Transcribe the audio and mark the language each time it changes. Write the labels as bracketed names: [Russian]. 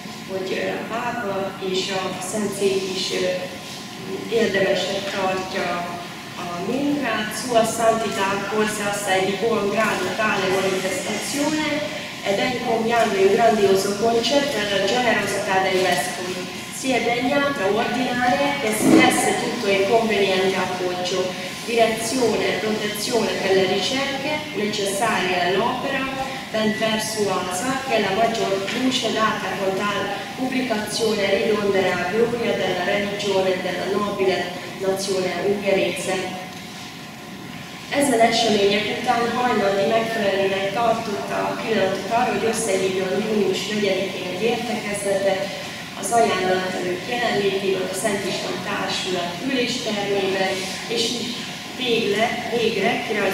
[Hungarian] hogy a pápa és a Szent Cég is érdemesnek tartja a munkát, [Italian] sua santità forse assai di buon grado tale manifestazione ed è compiando un grandioso concerto alla generosità dei vescovi. Si è degnato a ordinare che si desse tutto il conveniente appoggio, direzione e protezione per le ricerche necessarie all'opera, ben persuasa che la maggior luce data con tal pubblicazione ridonderà la gloria della religione e della nobile nazione ungherese. [Hungarian] Ezen események után Hajnaldi megfelelőnek tartotta a pillanatot arra, hogy összehívjon június 4-én egy értekezletet az ajánlatelők jelenlétében a Szent István Társulat üléstermében, és végre